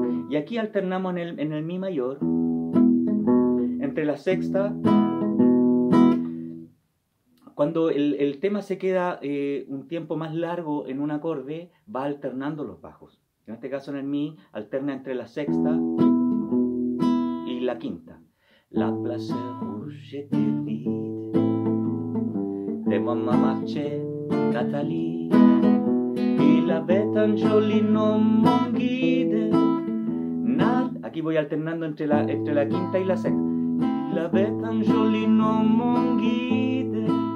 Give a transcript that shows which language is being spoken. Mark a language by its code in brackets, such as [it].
[es] Y aquí alternamos en el mi mayor entre la sexta. Cuando el tema se queda un tiempo más largo en un acorde, va alternando los bajos. En este caso en el mi, alterna entre la sexta y la quinta. [fr] La place rouge était vide. Et maman marchait, Nathalie. Il avait un joli nom, mon guide. [es] Aquí voy alternando entre la quinta y la sexta. [fr] Il avait un joli nom, mon guide.